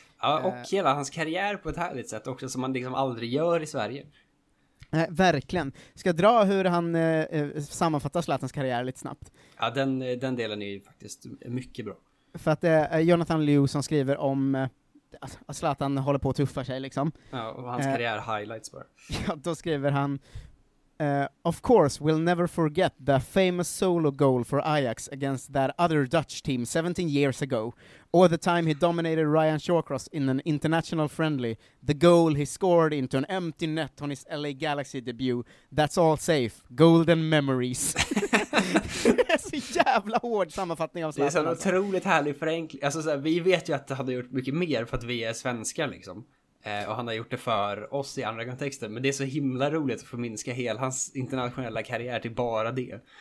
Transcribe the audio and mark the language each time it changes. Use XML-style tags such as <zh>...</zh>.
<sv>Ja, och hela hans karriär på ett härligt sätt också, som man liksom aldrig gör i Sverige. Verkligen. Ska jag dra hur han sammanfattar Zlatans karriär lite snabbt? Ja, den delen är ju faktiskt mycket bra. För att det är Jonathan Liu som skriver om att Zlatan håller på att tuffa sig liksom. Ja, och hans karriär highlights bara. Ja, då skriver han:</sv> <en>"Of course, we'll never forget the famous solo goal for Ajax against that other Dutch team 17 years ago, or the time he dominated Ryan Shawcross in an international friendly, the goal he scored into an empty net on his LA Galaxy debut. That's all safe. Golden memories."</en> <sv>Så jävla hård sammanfattning av Zlatan. Det är en otroligt härlig förenkling. Alltså, såhär, vi vet ju att det hade gjort mycket mer för att vi är svenskar liksom. Och han har gjort det för oss i andra kontexter. Men det är så himla roligt att få minska hela hans internationella karriär till bara det.</sv>